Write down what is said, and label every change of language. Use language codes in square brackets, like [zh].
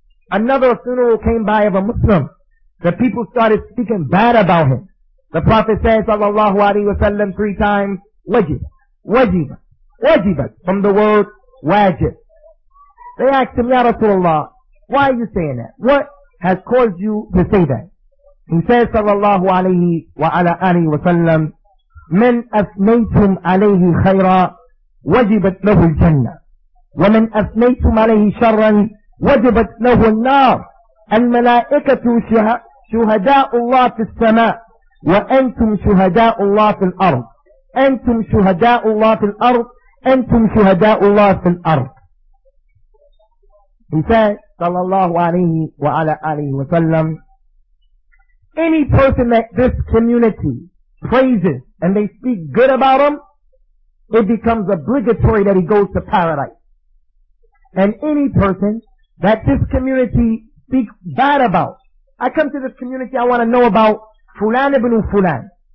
[en] Another funeral came by of a Muslim. The people started speaking bad about him. The Prophet said sallallahu alaihi wasallam 3 times, [ar] wajiba, wajiba, wajiba, [en] from the word wajib. They asked him, Ya Rasulullah, why are you saying that? What has caused you to say that? He says, [ar] sallallahu alayhi wa ala alihi wa sallam, من أثنيتم عليه خيرا وجبت له الجنة ومن أثنيتم عليه شرا وجبت له النار الملائكة شهداء الله في السماء وأنتم شهداء الله في الأرض أنتم شهداء الله في الأرض أنتم شهداء الله في الأرض. [en] He said, sallallahu alayhi wa ala alihi wa sallam, any person that this community praises and they speak good about him, it becomes obligatory that he goes to paradise. And any person that this community speaks bad about, I come to this community, I want to know about Fulan ibn Fulan.